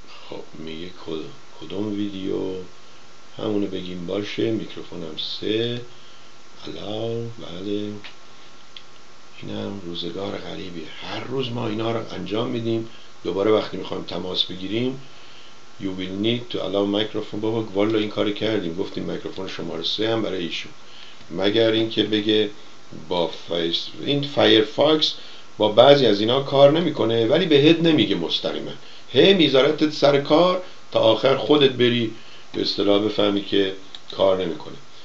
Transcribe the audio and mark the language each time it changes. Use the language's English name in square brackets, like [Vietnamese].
[Persian] خب میگه کدوم ویدیو؟ همونو بگیم باشه. میکروفون هم 3 الان. بله اینم روزگار غریبی، هر روز ما اینا رو انجام میدیم. دوباره وقتی میخوایم تماس بگیریم [English] you will need to allow microphone. [Persian] بابا والا این کار کردیم، گفتیم میکروفون شماره 3 هم برای ایشون، مگر اینکه بگه با این فایرفاکس با بعضی از اینا کار نمیکنه، ولی بهت نمیگه مستقیما، هی میذارتت سر کار تا آخر خودت بری به اصطلاح بفهمی که کار نمیکنه.